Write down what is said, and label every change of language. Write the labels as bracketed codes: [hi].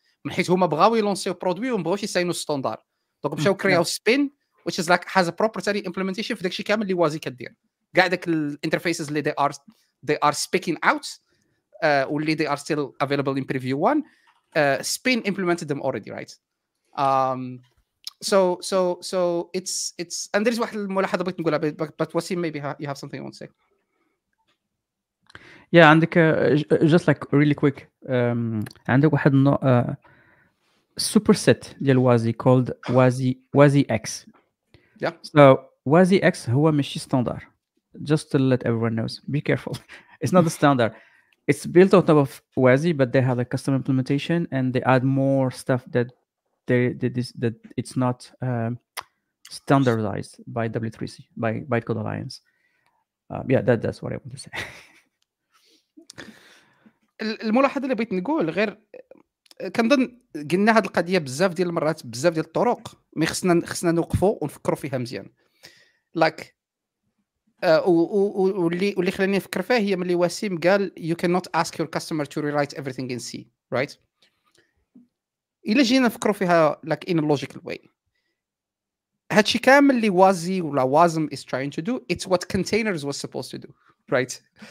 [ar] من حيث هما بغاو يلونسيو برودوي ومبغاوش يساينو ستاندار. دونك مشاو كرياو سبين, [en] which is like has a proprietary implementation for [ar] داكشي كامل اللي وازي كدير. كاع داك الانترفيسز اللي [en] they are speaking out [ar] واللي [en] they are still available in preview 1. Spin implemented them already, right? So it's and there is [ar] واحد الملاحظه بغيت نقولها, [en] but Wasim, maybe you have something you want to say. Yeah, and just like really quick, [ar] عندك واحد النوع [en] superset ديال وازي called WASI X. Yeah. So WASI X [ar] هو ماشي ستاندر. [en] Just to let everyone knows, be careful. It's not the standard. It's built on top of WASI, but they have a custom implementation and they add more stuff that that it's not standardized by W3C, by Bytecode Alliance. That's what I want to say. [ar] الملاحظة اللي بغيت نقول غير كنظن قلنا هاد القضية بزاف ديال المرات بزاف ديال الطرق, مي خصنا نوقفوا ونفكروا فيها مزيان. [en] Like [ar] واللي خلاني نفكر فيها هي ملي وسيم قال [en] you cannot ask your customer to rewrite everything in C, right? [ar] إلا جينا نفكروا فيها [en] like in a logical way, [ar] هادشي كامل اللي وازي ولا وازم [en] is trying to do, it's what containers was supposed to do, right?